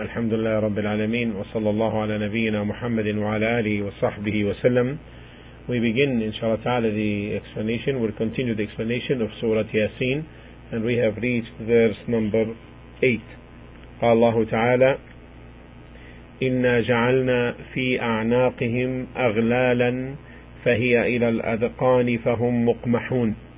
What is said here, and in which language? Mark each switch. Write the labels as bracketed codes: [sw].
[ar] الحمد لله رب العالمين، وصلى الله على نبينا محمد وعلى آله وصحبه وسلم. [en] We begin inshallah ta'ala the explanation. We'll continue the explanation of Surah Yasin, and we have reached verse number 8. [ar] قال الله تعالى إنا جعلنا في أعناقهم أغلالا فهي إلى الأذقان فهم مقمحون.